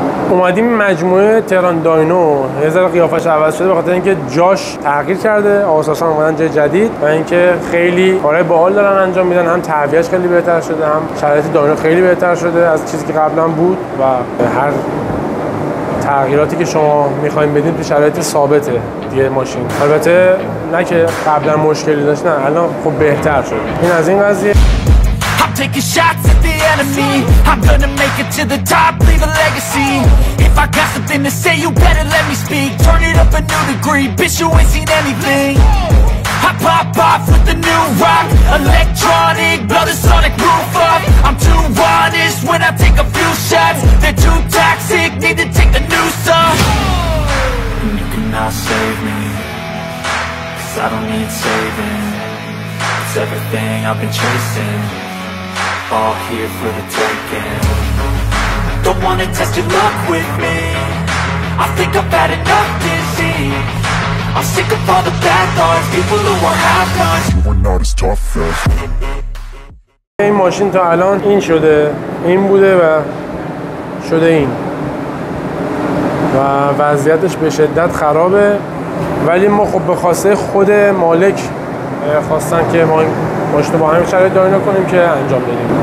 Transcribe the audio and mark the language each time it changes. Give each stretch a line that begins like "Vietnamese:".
Persian: اومدیم مجموعه تهران داینو، یه ذره قیافش عوض شده بخاطر اینکه جاش تغییر کرده، آساسا اومدن جای جدید و اینکه خیلی کارهای باحال دارن انجام میدن. هم تعبیهش خیلی بهتر شده، هم شرایط داینو خیلی بهتر شده از چیزی که قبلا بود و هر تغییراتی که شما میخواییم بدین تو شرایط ثابته دیگه ماشین. البته نه که قبلا مشکلی داشت، نه الان خب بهتر شد. این از این قضیه.
English: Taking shots at the enemy, I'm gonna make it to the top, leave a legacy. If I got something to say, you better let me speak. Turn it up a new degree, bitch, you ain't seen anything. I pop off with the new rock, electronic, blow the sonic roof up. I'm too honest when I take a few shots. They're too toxic, need to take the new song. And you cannot save me, cause I don't need saving. It's everything I've been chasing, all here for the taking. Don't wanna test your luck with me, I think I've had enough disease. I'm sick of all the bad thoughts, people who are half done. You are not as tough as me.
Persian: این ماشین تا الان این شده، این بوده و شده این و وضعیتش به شدت خرابه. ولی ما خب به خواسته خود مالک خواستن که ما ماشین رو با همین شرایط داینو کنیم که انجام بدیم.